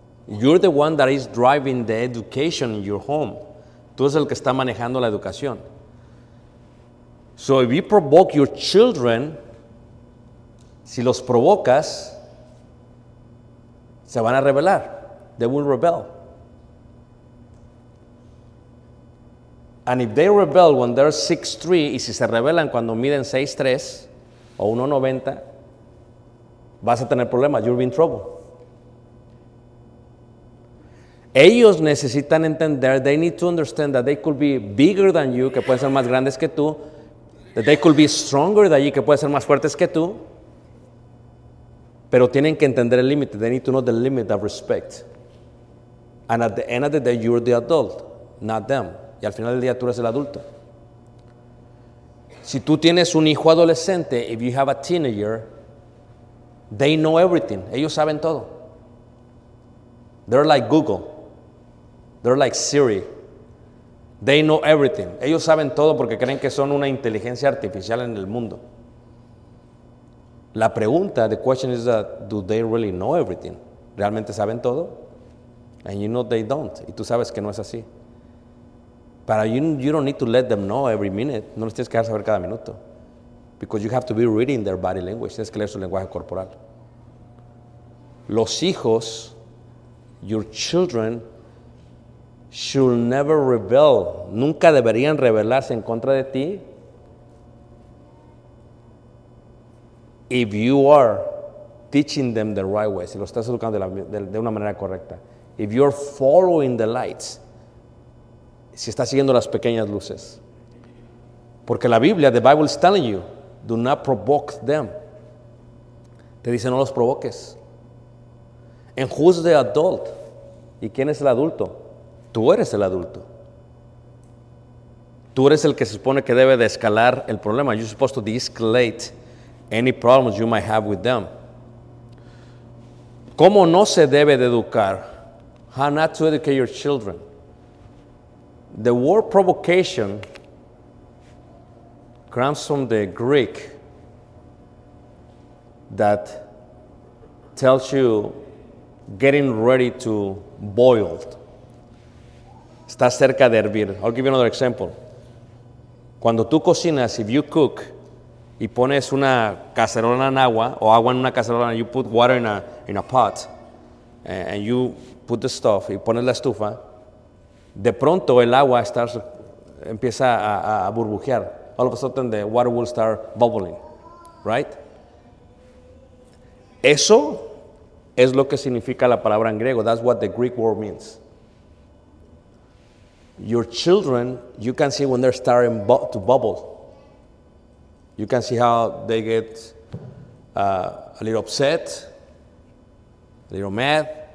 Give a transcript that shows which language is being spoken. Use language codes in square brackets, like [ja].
[en] You're the one that is driving the education in your home. [es] Tú eres el que está manejando la educación. [en] So if you provoke your children, [es] si los provocas, se van a rebelar. [en] They will rebel. And if they rebel when they're [es] 6'3", y si se rebelan cuando miden 6'3", o 1.90, vas a tener problemas. [en] You'll be in trouble. [es] Ellos necesitan entender, [en] they need to understand that they could be bigger than you, [es] que pueden ser más grandes que tú, [en] that they could be stronger than you, [es] que pueden ser más fuertes que tú, pero tienen que entender el límite. [en] They need to know the limit of respect. And at the end of the day, you're the adult, not them. [es] Y al final del día, tú eres el adulto. Si tú tienes un hijo adolescente, [en] if you have a teenager, they know everything. [es] Ellos saben todo. [en] They're like Google. They're like Siri. They know everything. [es] Ellos saben todo porque creen que son una inteligencia artificial en el mundo. La pregunta, [en] the question is that, do they really know everything? [es] ¿Realmente saben todo? [en] And you know they don't. [es] Y tú sabes que no es así. [en] But you don't need to let them know every minute. [es] No les tienes que dejar saber cada minuto. [en] Because you have to be reading their body language. [es] Tienes que leer su lenguaje corporal. Los hijos, [en] your children, should never rebel. [es] Nunca deberían rebelarse en contra de ti. [en] If you are teaching them the right way, [es] si los estás educando de una manera correcta. [en] If you're following the lights, [es] si estás siguiendo las pequeñas luces. Porque la Biblia, [en] the Bible is telling you, do not provoke them. [es] Te dice, no los provoques. [en] And who's the adult? [es] ¿Y quién es el adulto? Tú eres el adulto. Tú eres el que se supone que debe de escalar el problema. [en] You're supposed to de-escalate any problems you might have with them. [es] ¿Cómo no se debe de educar? [en] How not to educate your children? The word provocation comes from the Greek that tells you getting ready to boil. [es] Está cerca de hervir. [en] I'll give you another example. [es] Cuando tú cocinas, [en] if you cook [es] y pones una cacerola en agua o agua en una cacerola, [en] and you put water in a pot and you put the stuff [es] y pones la estufa, de pronto el agua empieza a burbujear. [en] All of a sudden the water will start bubbling, right? [es] Eso es lo que significa la palabra en griego. [en] That's what the Greek word means. Your children, you can see when they're starting to bubble. You can see how they get a little upset, a little mad.